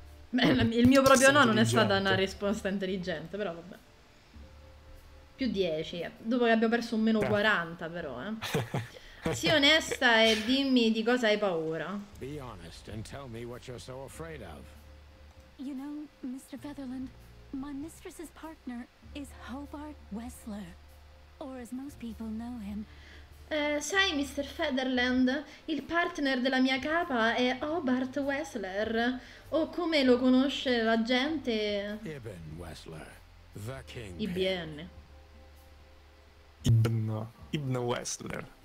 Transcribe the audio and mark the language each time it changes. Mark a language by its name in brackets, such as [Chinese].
[Italian] Beh, il mio proprio no non è stata una Abbastanza risposta intelligente, però vabbè. Più 10, dopo che abbiamo perso un meno 40, però, eh. Sii onesta e dimmi di cosa hai paura. [English] Be honest and tell me what you're so afraid of. You know, Mr. Featherland, my mistress's partner is Hobart Wessler, or as most people know him. [Italian] Sai, Mr. Featherland, il partner della mia capa è Hobart Wessler, o come lo conosce la gente? [English] Ibn Wessler, the Kingpin. IBN. Ibn Wessler.